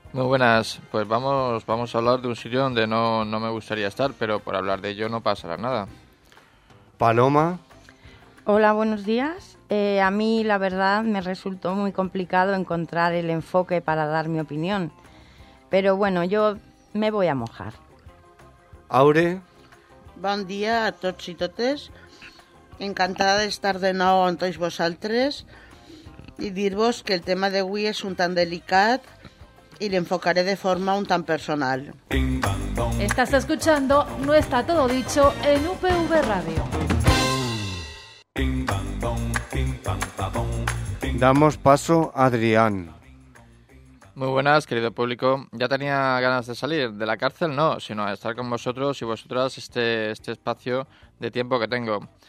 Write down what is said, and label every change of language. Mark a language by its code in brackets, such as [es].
[es] Muy buenas, pues vamos a hablar de un sitio donde no me gustaría estar, pero por hablar de ello no pasará nada. Paloma. Hola, buenos días. A mí, la verdad, me resultó muy complicado encontrar el enfoque para dar mi opinión. Pero bueno, yo me voy a mojar. Aure. [ca] Bon dia a tots i totes. Encantada de estar de nou amb tots vosaltres i dir-vos que el tema d'avui és un tant delicat i l'enfocaré de forma un tant personal. [es] Estàs escuchando No Está Todo Dicho en UPV Radio. Damos paso a Adrián. Muy buenas, querido público. Ya tenía ganas de salir de la cárcel, no, sino a estar con vosotros y vosotras este espacio de tiempo que tengo.